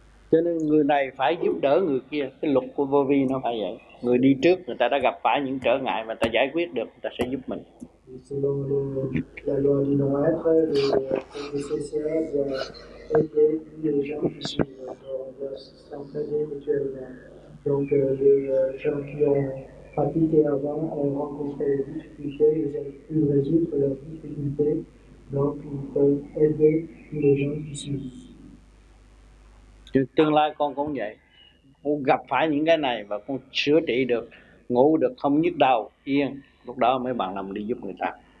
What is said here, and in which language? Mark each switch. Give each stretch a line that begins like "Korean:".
Vietnamese: Cho nên người này phải giúp đỡ người kia, cái luật của vô vi nó phải vậy. Người đi trước, người ta đã gặp phải những trở ngại mà ta giải quyết được, người ta sẽ giúp mình.
French: Selon la loi du non-être, c'est nécessaire d'aider les gens qui suivent, de s'entraider mutuellement. Donc, les gens qui ont pratiqué avant ont rencontré des difficultés, ils ont pu résoudre leurs difficultés, donc ils peuvent aider les gens qui suivent. Dans le
Vietnamese: tương lai, con cũng vậy. Con gặp phải những cái này và con chữa trị được, ngủ được, không nhức đầu, yên. Lúc đó mấy bạn làm đi giúp người ta.